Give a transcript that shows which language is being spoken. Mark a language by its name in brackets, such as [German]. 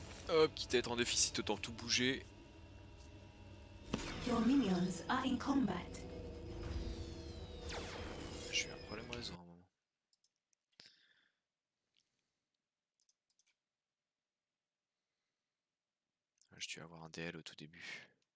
[French] Hop, quitte à être en déficit, autant tout bouger. [English] Your minions are in combat. [French] J'ai eu un problème réseau à un moment. Je dois avoir un DL au tout début.